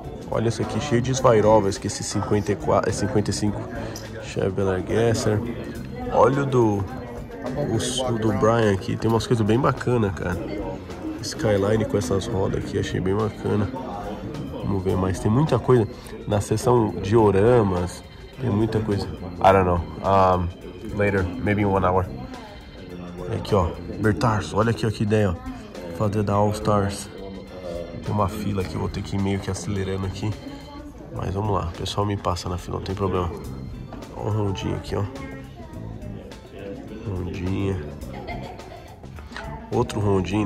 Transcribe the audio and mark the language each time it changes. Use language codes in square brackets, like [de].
[pt] Olha isso aqui, cheio de Swarovski, esse 54, 55 Chevrolet Gasser. Olha o do Brian aqui, tem umas coisas bem bacanas, cara. Skyline com essas rodas aqui, achei bem bacana. Vamos ver mais, tem muita coisa na seção dioramas, tem muita coisa. [en] I don't know, later, maybe in 1 hour. [pt] Aqui, ó, Bertarso, olha aqui, ó, que ideia, ó. Fazer da All Stars. Tem uma fila aqui, vou ter que ir meio que acelerando aqui. Mas vamos lá, o pessoal me passa na fila, não tem problema. Ó, um rondinho aqui, ó. Rondinha. Outro rondinho.